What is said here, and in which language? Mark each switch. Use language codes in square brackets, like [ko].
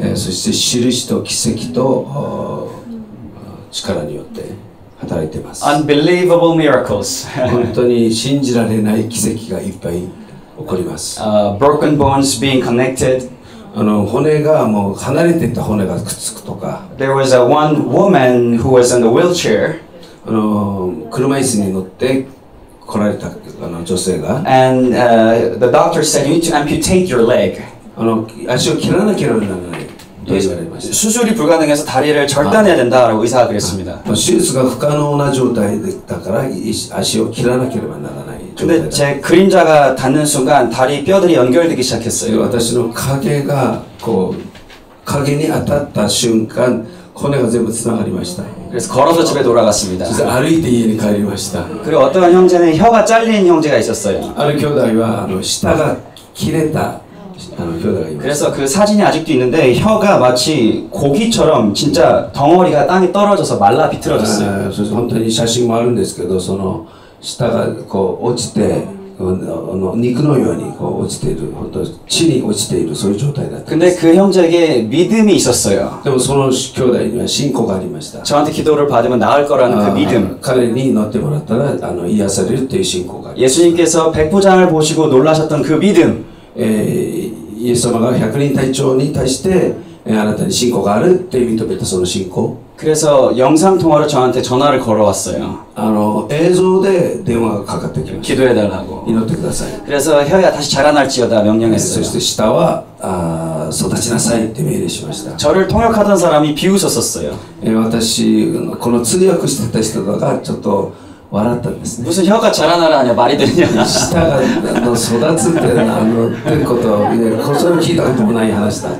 [ja] そして印と奇跡と力によって働いています。 [en] Unbelievable miracles. [ja] 本当に信じられない奇跡がいっぱい起こります。 [en] Broken bones being connected. [ja] 骨がもう離れていた骨がくっつくとか。 [en] There was a one woman who was in the wheelchair. [ja] 車椅子に乗って来られた女性が。 [en] And the doctor said you need to amputate your leg. [ja] 足を切らなければならない。手術が不可能 [ko] 해서다리를절단해야된다라고의사가그랬습니다 [ja] 手術が不可能な状態だったから足を切らなければならない [ko] 근데제그림자가닿는순간다리뼈들이연결되기시작했어요 [ja] 私の影がこう影に当たった瞬間骨が全部つながりました [ko] 그래서걸어서집에돌아갔습니다 그래서 [ja] 歩いて家に帰りました [ko] 그리고어떤형제는혀가잘린형제가있었어요 [ja] ある兄弟は舌が切れた [ko] 그래서그사진이아직도있는데혀가마치고기처럼진짜덩어리가땅에떨어져서말라비틀어졌어요그래서 [ja] 本当に写真もあるんですけどその下がこう落ちて肉のようにこう落ちている本当地に落ちているそういう状態だった [ko] 근데그형제에게믿음이있었어요 [ja] でもその兄弟には信仰がありました [ko] 저한테기도를받으면나을거라는그믿음 [ja] 彼に乗ってもらったら癒されるっていう信仰が [ko] 예수님께서백부장을보시고놀라셨던그믿음 [ja] イエス様が百人隊長に対して新たに信仰があるって認めたその信仰。 [ko] 그래서영상통화로저한테전화를걸어왔어요 [ja] 映像で電話がかかってきました [ko] 기도해달라고 [ja] 祈ってください [ko] 그래서혀야다시자라날지어다명령했어요 [ja] そして舌は育ちなさいって命令しました [ko] 저를통역하던사람이비웃었었어요 [ja] 私この通訳してた人がちょっと笑ったんですね [ko] 무슨혀가자라나라냐말이되냐 [ja] 舌が育つってことを聞いたこともない話だ